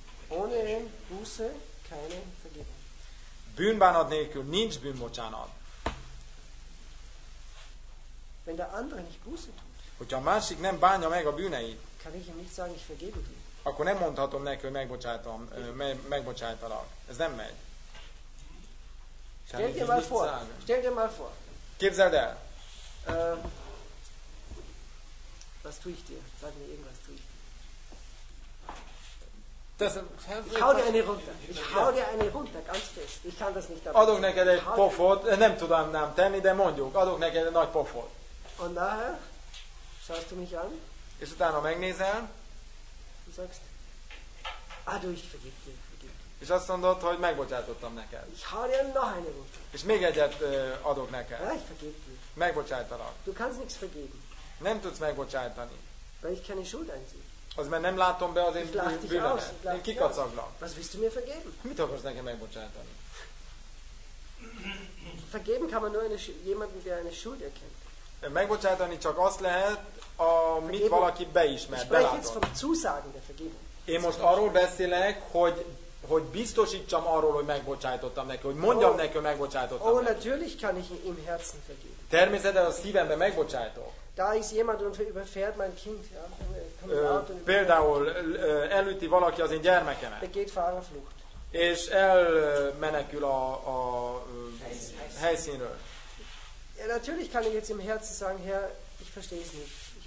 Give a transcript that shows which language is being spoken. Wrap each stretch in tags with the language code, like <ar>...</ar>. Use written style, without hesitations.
<de>Ohne Buße keine Vergebung.</de> <hu>Bűnbánat nélkül nincs bűnbocsánat.</hu> <de>Wenn der andere nicht Buße tut,</de> <hu>hogyha a másik nem bánja meg a bűneit,</hu> <de>kann ich ihm nicht sagen, ich vergebe dir.</de> <hu>Akkor nem mondhatom neki, hogy megbocsátom, megbocsátalak. Ez nem megy.</hu> <de>Stell dir mal vor. Stell dir mal vor.</de> <hu>Képzeld el.</hu> <de>Was tue ich dir? Sag mir irgendwas, tue ich dir. Ich hau dir eine runter. Ich hau dir eine runter, ganz fest. Ich kann das nicht.</de> <hu>Adok neked egy pofot, nem tudom nem tenni, de mondjuk, adok neked egy nagy pofot.</hu> <de>Und nachher schaust du mich an.</de> <hu>És utána megnézel.</hu> <de>Du sagst, adu, ich vergib dir.</de> <hu>És azt mondod, hogy megbocsátottam neked.</hu> <de>Ich hau dir noch eine runter.</de> <hu>És még egyet adok neked.</hu> <de>Ja, ich vergib dir.</de> <hu>Megbocsájtalak.</hu> <de>Du kannst nichts vergeben.</de> <hu>Nem tudsz megbocsájtani.</hu> <de>Weil ich keine Schuld einsehe.</de> <hu>Az, mert nem látom be az én bűnömet. Én kikacaglak.</hu> <de>Was willst du mir vergeben?</de> <hu>Mit akarsz nekem megbocsájtani?</hu> <de>Vergeben kann man nur eine, jemanden, der eine Schuld erkennt.</de> <hu>Megbocsájtani csak azt lehet, amit valaki beismert, belátott.</hu> <de>Ich spreche jetzt vom Zusagen der Vergebung.</de> <hu>Én most arról beszélek, hogy biztosítsam arról, hogy megbocsájtottam neki, hogy mondjam neki, hogy megbocsájtottam neki.</hu> <de>Natürlich kann ich im Herzen vergeben.</de> <hu>Természetesen a szívemben megbocsájtok.</hu> <de>Da ist jemand und überfährt mein Kind. Ja?</de> <hu>Például elüti valaki az én gyermekemet.</hu> <de>Der geht vor einer Flucht.</de> <hu>És elmenekül a helyszínről.</hu> <de>Ja, natürlich kann ich jetzt im Herzen sagen, Herr, ich verstehe es nicht.</de>